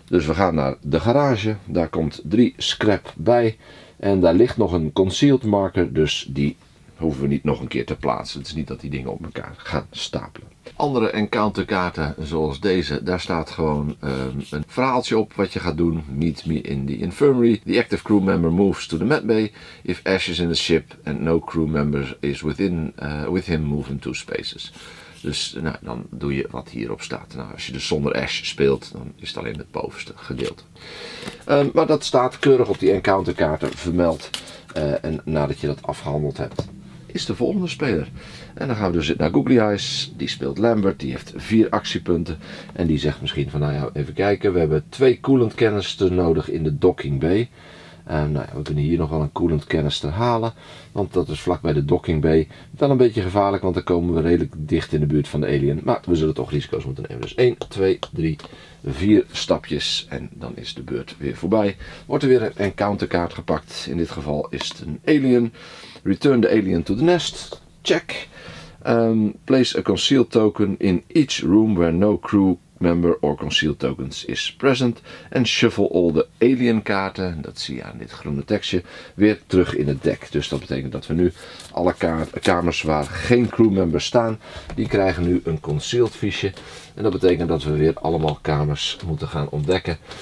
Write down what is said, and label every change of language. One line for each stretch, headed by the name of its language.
Dutch: Dus we gaan naar de garage, daar komt 3 scrap bij en daar ligt nog een concealed marker, dus die hoeven we niet nog een keer te plaatsen. Het is niet dat die dingen op elkaar gaan stapelen. Andere encounterkaarten zoals deze, daar staat gewoon een verhaaltje op wat je gaat doen.
English: Meet me in the infirmary. The active crew member moves to the med bay. If Ash is in the ship and no crew member is within, with him, move in 2 spaces.
Dutch: Dus nou, dan doe je wat hierop staat. Nou, als je dus zonder Ash speelt, dan is het alleen het bovenste gedeelte. Maar dat staat keurig op die encounterkaarten vermeld. En nadat je dat afgehandeld hebt, is de volgende speler. En dan gaan we dus naar Googly Eyes. Die speelt Lambert. Die heeft 4 actiepunten. En die zegt misschien van nou ja, even kijken. We hebben 2 coolant canisters nodig in de docking bay. Nou ja, we kunnen hier nog wel een koelend canister halen, want dat is vlakbij de docking bay. Wel een beetje gevaarlijk, want dan komen we redelijk dicht in de buurt van de alien. Maar we zullen toch risico's moeten nemen. Dus 1, 2, 3, 4 stapjes en dan is de beurt weer voorbij. Wordt er weer een encounterkaart gepakt. In dit geval is het een alien.
English: Return the alien to the nest. Check. Place a concealed token in each room where no crew member or concealed tokens is present.
Dutch: En
English: shuffle all the alien
Dutch: kaarten, dat zie je aan dit groene tekstje, weer terug in het deck. Dus dat betekent dat we nu alle kamers waar geen crew members staan, die krijgen nu een concealed fiche. En dat betekent dat we weer allemaal kamers moeten gaan ontdekken.